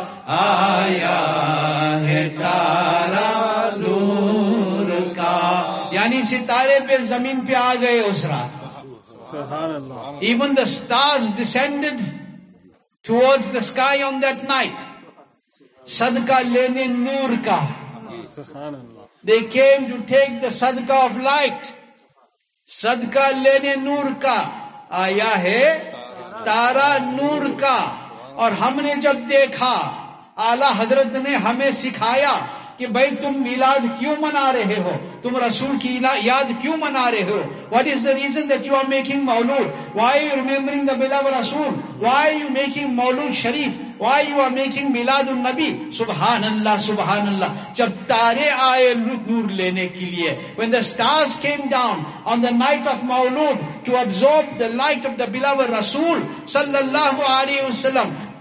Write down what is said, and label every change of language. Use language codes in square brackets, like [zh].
[ur] آیا ہے تارا نور کا یعنی ستارے پہ زمین پہ آ گئے اس رات [ar] سبحان اللہ [en] even the stars descended towards the sky on that night [ur] صدقہ لینے نور کا [ar] سبحان اللہ [en] they came to take the صدقہ of light [ur] صدقہ لینے نور کا آیا ہے تارا نور کا اور ہم نے جب دیکھا اعلیٰ حضرت نے ہمیں سکھایا کہ بھئی تم میلاد کیوں منا رہے ہو تم رسول کی یاد کیوں منا رہے ہو [en] What is the reason that you are making maulud? Why are you remembering the beloved Rasul? Why are you making maulud Sharif? Why you are making milad un-Nabi? [ar] Subhanallah, subhanallah. [ur] جب تارے آئے نور لینے کیلئے [en] When the stars came down on the night of maulud to absorb the light of the beloved Rasul sallallahu alayhi wa sallam